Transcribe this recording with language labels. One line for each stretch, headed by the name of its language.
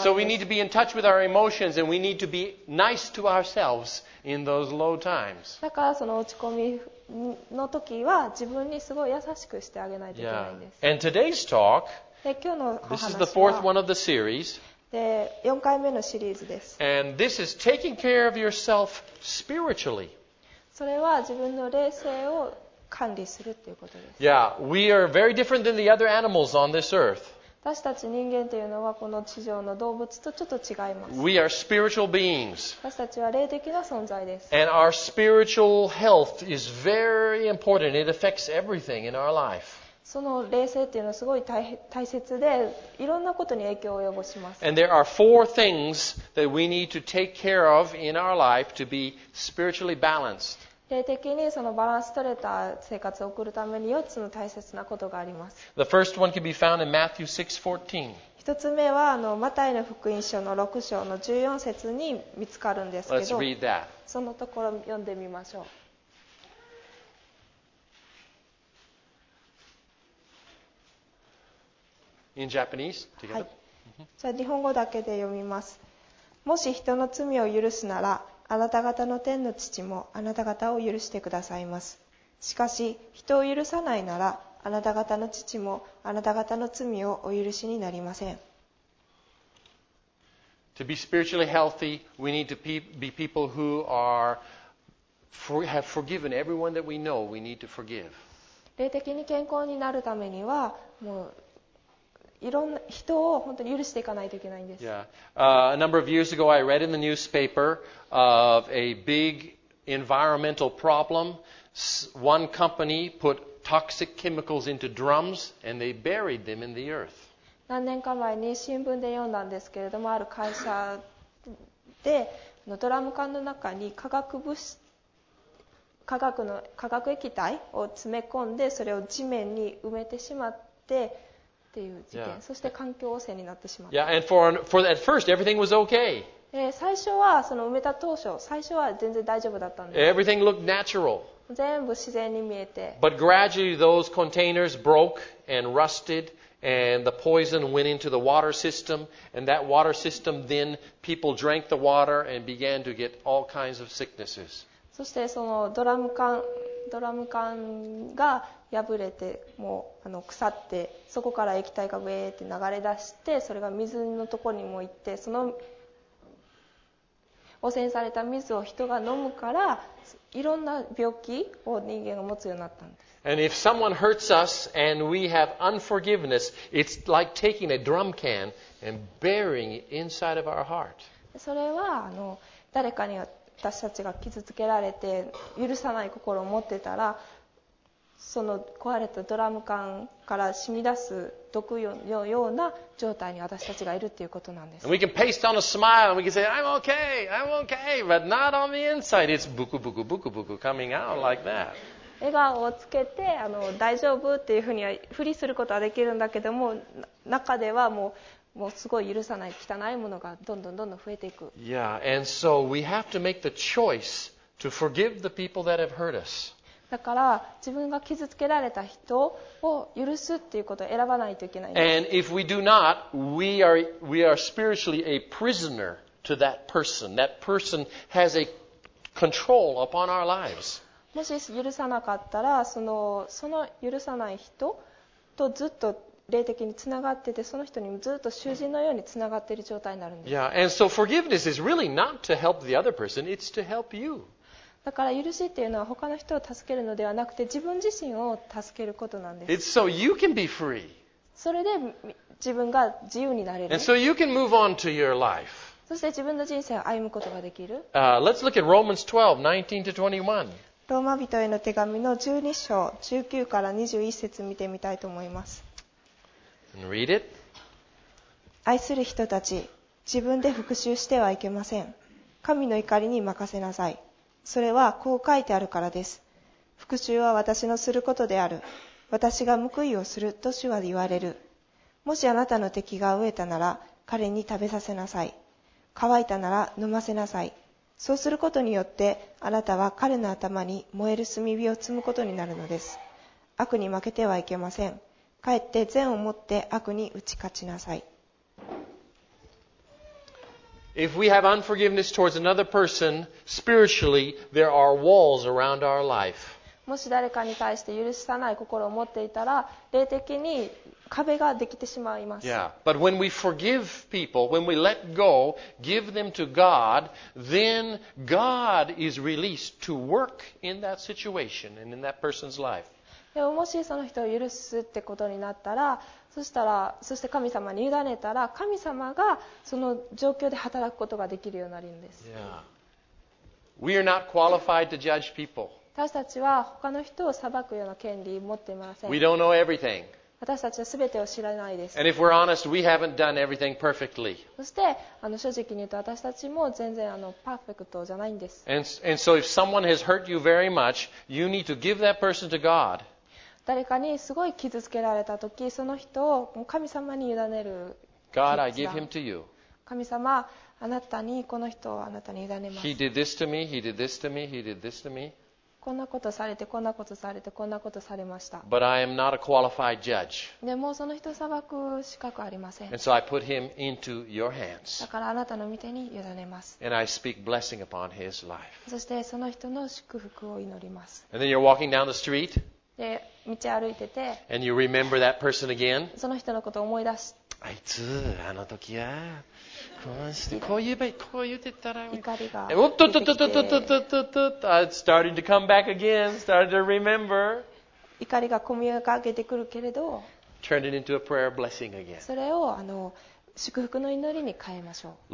English: And so we need to be in touch with our emotions and we need to be nice to ourselves. In those low times.
Japanese: だからその落ち込みの時は自分にすごい優しくしてあげないといけないんです。
English: Yeah. And today's talk,
Japanese: 今日のお話は、
English: this is the fourth one of the series.
Japanese: で、4回目のシリーズです。
English: And this is taking care of yourself spiritually.
Japanese: それは自分の霊性を管理するっていうことです。
English: Yeah, we are very different than the other animals on this earth.
Japanese: 私たち人間というのはこの地上の動物とちょっと違います。
English: We are spiritual beings.
Japanese: 私たちは霊的な存在です。
English: And our spiritual health is very important. It affects everything in our life.
Japanese: その霊性というのはすごい 大切で、いろんなことに影響を及ぼします。
English: And there are four things that we need to take care of in our life to be spiritually balanced.
Japanese: 霊的にそのバランス取れた生活を送るために4つの大切なことがあります。
English: The first one can be found in Matthew 6:14.
Japanese: 1つ目はマタイの福音書の6章の14節に見つかるんですけど、
English: Let's read that.
Japanese: そのところ読んでみましょう。
English: In Japanese, together.
Japanese: はい。じゃあ日本語だけで読みます。もし人の罪を許すなら、あなた方の天の父もあなた方を許してくださいます。しかし人を許さないなら、あなた方の父もあなた方の罪をお許しになりません。
English: To be spiritually healthy, we need to be people who are have forgiven everyone that we know. We need to forgive.
Japanese: 霊的に健康になるためには、もう。いろんな人を本当に許していかないといけないんです。
English: Yeah. A number of years ago, I read in the newspaper of a big environmental problem. One company put toxic chemicals into drums and they buried them in the earth.
Japanese: 何年か前に新聞で読んだんですけれども、ある会社でドラム缶の中に化学物質、化学液体を詰め込んで、それを地面に埋めてしまって。っていう事件、そして環境汚染になってしまった。
English: Yeah, and for at first everything was okay.
Japanese: 最初はその埋めた当初、最初は全然大丈夫だったんです。
English: Everything looked natural.
Japanese: 全部自然に見えて。
English: But gradually those containers broke and rusted, and the poison went into the water system, and that water system then people drank the water and began to get all kinds of sicknesses.
Japanese: そしてそのドラム缶が破れてもう腐って、そこから液体がウェーって流れ出して、それが水のところにも行って、その汚染された水を人が飲むから、いろんな病気を人間が持つようになったんです。
English: And if someone hurts us and we have unforgiveness, it's like taking a drum can and burying it inside of our heart.
Japanese: それは誰かに私たちが傷つけられて許さない心を持ってたら、その壊れたドラム缶から染み出す毒のような状態に私たちがいるということなんです。
English: And we can paste on a smile and we can say, I'm okay, but not on the inside. It's buku buku buku buku coming out like that.
Japanese: 笑顔をつけて大丈夫っていうふうにはフリすることはできるんだけども、中ではもうすごい許さない汚いものがどんどんどんどん増えていく。
English: Yeah, and so we have to make the choice to forgive the people that have hurt us.
Japanese: だから自分が傷つけられた人を許すっていうことを選ばないといけないんです。
English: And if we do not, we are spiritually a prisoner to that person. That person has a control upon our lives.
Japanese: もし許さなかったら、その許さない人とずっと霊的につながってて、その人にずっと囚人のようにつながっている状態になるんです。
English: Yeah, and so forgiveness is really not to help the other person, it's to help you.
Japanese: だから許しっていうのは他の人を助けるのではなくて、自分自身を助けることなんです。
English: It's so you can be free.
Japanese: それで自分が自由になれる。
English: And so you can move on to your life.
Japanese: そして自分の人生を歩むことができる。
English: Let's look at Romans 12:19-21.
Japanese: ローマ人への手紙の12章19から21節見てみたいと思います。
English: And read it.
Japanese: 愛する人たち、自分で復讐してはいけません。神の怒りに任せなさい。それはこう書いてあるからです。復讐は私のすることである。私が報いをすると主は言われる。もしあなたの敵が飢えたなら彼に食べさせなさい。乾いたなら飲ませなさい。そうすることによってあなたは彼の頭に燃える炭火を積むことになるのです。悪に負けてはいけません。かえって善を持って悪に打ち勝ちなさい。
English: If we have unforgiveness towards another person, spiritually, there are walls around our life.
Japanese: もし誰かに対して許さない心を持っていたら、霊的に壁ができてしまいます。
English: Yeah. But when we forgive people, when we let go, give them to God, then God is released to work in that situation and in that person's life.
Japanese: でももしその人を許すってことになったら、そして神様に委ねたら、神様がその状況で働くことができるようになるんです。
English: Yeah. We are not qualified to judge people.
Japanese: 私たちは他の人を裁くような権利を持っていません。
English: We don't know everything.
Japanese: 私たちは全てを知らないです。
English: And if we're honest, we haven't done everything perfectly.
Japanese: そして正直に言うと私たちも全然パーフェクトじゃないんです。
English: And so if someone has hurt you very much, you need to give that person to God.
Japanese: 誰かにすごい傷つけられたとき、その人を神様に委ねる。
English: God, I give him to you.
Japanese: 神様、あなたにこの人をあなたに委ねます。
English: He did this to me, he did this to me, he did this to me.
Japanese: こんなことされて、こんなことされて、こんなことされました。
English: But I am not a qualified judge.
Japanese: でもその人を裁く資格ありません。
English: And so I put him into your hands.
Japanese: だからあなたの御手に委ねます。
English: And I speak blessing upon his life.
Japanese: そしてその人の祝福を祈ります。
English: And then you're walking down the street.
Japanese: で道歩いてて、
English: And you remember that person again?
Japanese: その人のことを思い出す。あいつあの時はこうしてこう言えばこう言ってたら怒りが出てきて、おっとっとっとっとっとっとっとっとっとっとっとっとっとっとっとっとっとっとっとっととっとっとっとっとっとっとっとっ